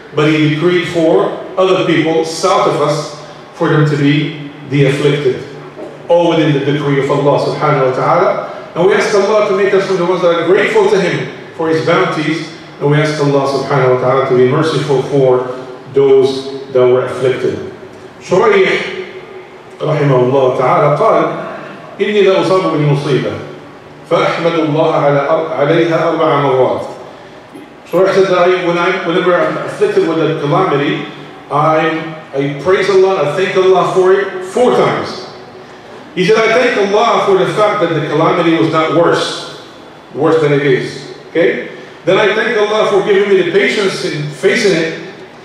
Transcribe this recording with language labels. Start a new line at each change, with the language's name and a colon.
English: But he decreed for other people south of us for them to be the afflicted. All within the decree of Allah subhanahu wa ta'ala. And we ask Allah to make us from the ones that are grateful to him for his bounties. And we ask Allah subhanahu wa ta'ala to be merciful for those that were afflicted.
Arabic: Shuraih, rahimahullah ta'ala, قال, إِنِّي لَأُصَابُ بِالْمُصِيبَةِ فَأَحْمَدُ اللَّهَ عَلَيْهَا أَرْبَعَ مَرَّاتٍ.
English: Shuraih said that whenever I'm afflicted with a calamity, I praise Allah, I thank Allah for it four times. He said, I thank Allah for the fact that the calamity was not worse than it is. Okay? Then I thank Allah for giving me the patience in facing it.